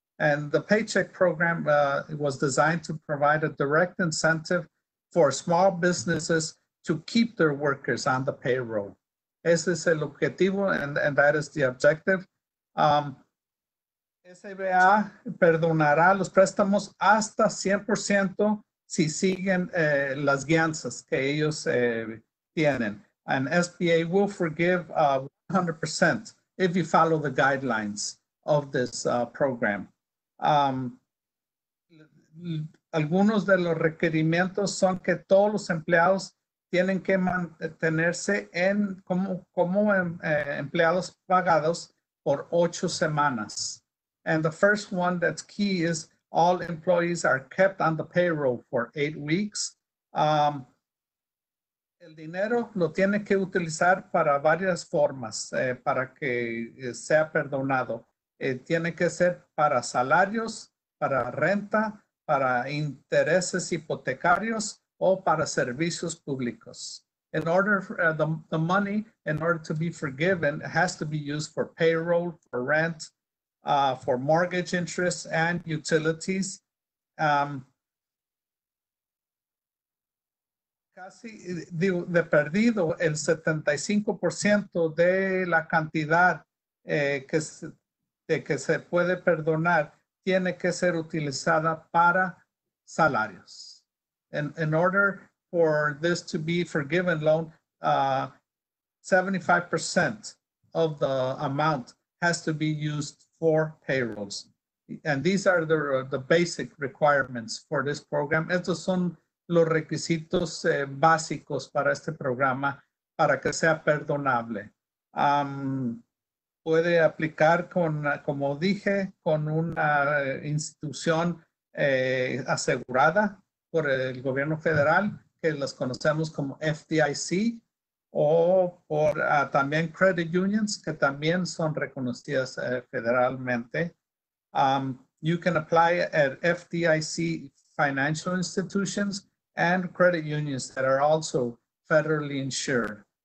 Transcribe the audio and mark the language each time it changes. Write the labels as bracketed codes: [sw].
[en] And the paycheck program was designed to provide a direct incentive for small businesses to keep their workers on the payroll. [es] Ese es el objetivo, [en] and that is the objective. [es] SBA perdonará los préstamos hasta 100% si siguen las guianzas que ellos tienen. [en] And SBA will forgive 100% if you follow the guidelines of this program. [es] Algunos de los requerimientos son que todos los empleados tienen que mantenerse en empleados pagados por 8 semanas. [en] And the first one that's key is all employees are kept on the payroll for 8 weeks. [es] El dinero lo tiene que utilizar para varias formas para que sea perdonado. Tiene que ser para salarios, para renta, para intereses hipotecarios, o para servicios públicos. [en] In order for the money, in order to be forgiven, it has to be used for payroll, for rent, for mortgage interest and utilities. [es] Casi, de perdido, el 75% de la cantidad que se puede perdonar tiene que ser utilizada para salarios. [en] In order for this to be forgiven loan, 75% of the amount has to be used for payrolls. And these are the basic requirements for this program. [es] Estos son los requisitos básicos para este programa para que sea perdonable. Puede aplicar con, como dije, con una institución asegurada por el gobierno federal, que las conocemos como FDIC, o por también credit unions, que también son reconocidas federalmente. [en] You can apply at FDIC financial institutions and credit unions that are also federally insured.